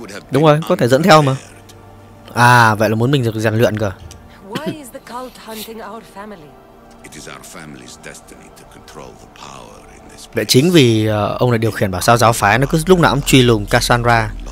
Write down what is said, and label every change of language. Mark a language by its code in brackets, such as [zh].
[vi] Đúng rồi, có thể dẫn theo mà. À, vậy là muốn mình được rèn luyện cơ. [en] Why is the cult hunting our family? It is our family's destiny to control the power in this place. [vi] Vậy chính vì ông này điều khiển bảo sao giáo phái nó cứ lúc nào cũng truy lùng Cassandra.